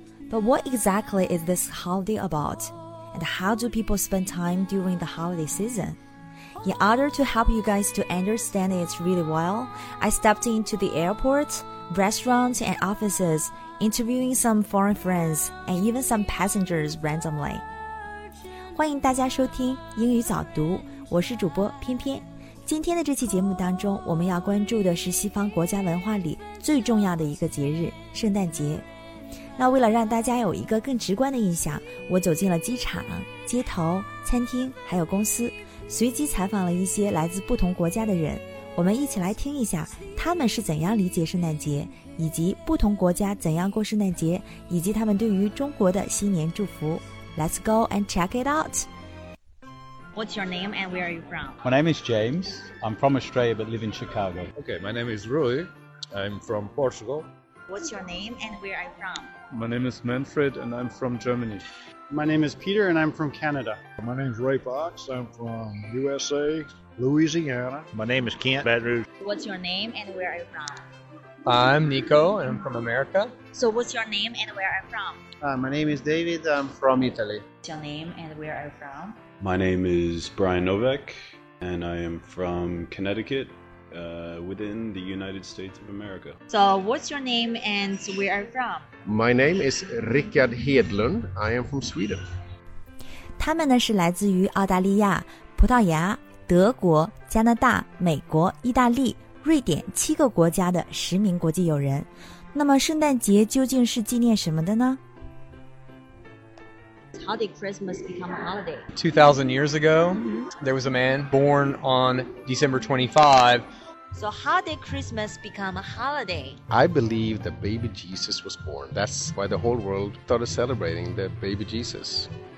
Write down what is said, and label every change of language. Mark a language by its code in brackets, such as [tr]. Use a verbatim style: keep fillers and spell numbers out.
[en] But what exactly is this holiday about? And how do people spend time during the holiday season? In order to help you guys to understand it really well, I stepped into the airport, restaurants, and offices, interviewing some foreign friends and even some passengers randomly. [zh] 欢迎大家收听英语早读，我是主播偏偏。今天的这期节目当中，我们要关注的是西方国家文化里最重要的一个节日——圣诞节。那为了让大家有一个更直观的印象，我走进了机场、街头、餐厅，还有公司，随机采访了一些来自不同国家的人。我们一起来听一下他们是怎样理解圣诞节，以及不同国家怎样过圣诞节，以及他们对于中国的新年祝福。 [en] Let's go and check it out. What's your name and where are you from? My name is James. I'm from Australia but live in Chicago. Okay, my name is Rui. I'm from Portugal. What's your name and where are you from? My name is Manfred and I'm from Germany. My name is Peter and I'm from Canada. My name is Ray Fox. I'm from U S A, Louisiana. My name is Kent, Baton Rouge. What's your name and where are you from? I'm Nico and I'm from America. So what's your name and where are you from? Uh, my name is David. I'm from Italy. What's your name and where are you from? My name is Brian Novak, and I am from Connecticut, uh, within the United States of America. So what's your name and where are you from? My name is Rickard Hedlund. I am from Sweden. [zh] 他们呢是来自于澳大利亚、葡萄牙、德国、加拿大、美国、意大利、瑞典七个国家的十名国际友人。那么圣诞节究竟是纪念什么的呢？ [en] How did Christmas become a holiday? two thousand years ago, there was a man born on December twenty-fifth. So how did Christmas become a holiday? I believe that baby Jesus was born. That's why the whole world started celebrating the baby Jesus.